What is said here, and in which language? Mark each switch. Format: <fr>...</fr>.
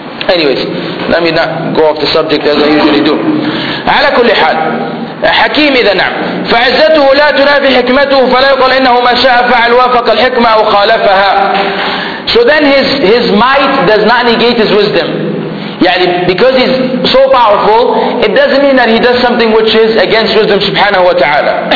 <en>Anyways, let me not go off the subject as I usually do.</en> <ar>على كل حال حكيم إذا نعم فعزته لا تنافي حكمته فلا يقول إنه ما شاء فعل وافق الحكمة أو خالفها.</ar> <en>So then his might does not negate his wisdom.</en> <ar>يعني</ar> <en>because he's so powerful, it doesn't mean that he does something which is against wisdom</en> <ar>سبحانه وتعالى.</ar>